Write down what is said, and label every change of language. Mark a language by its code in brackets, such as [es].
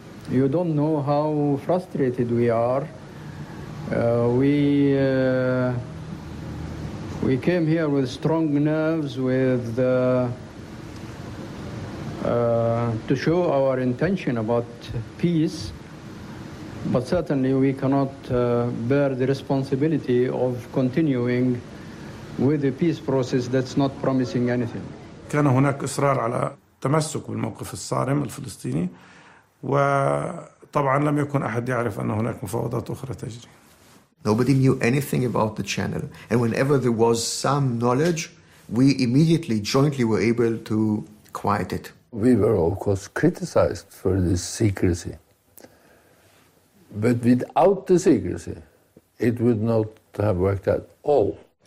[en] You don't know how frustrated we are. We came here with strong nerves, with to show our intention about peace, but certainly we cannot bear the responsibility of continuing with the peace process that's not promising anything. [ar] كان هناك إصرار على التمسك بالموقف الصارم الفلسطيني، وطبعا لم يكن أحد يعرف أن هناك مفاوضات أخرى تجري. [en] Nobody knew anything about the channel, and whenever there was some knowledge, we immediately jointly were able to quiet it. We were, of course, criticized for this secrecy. But without the secrecy, it would not have worked at all.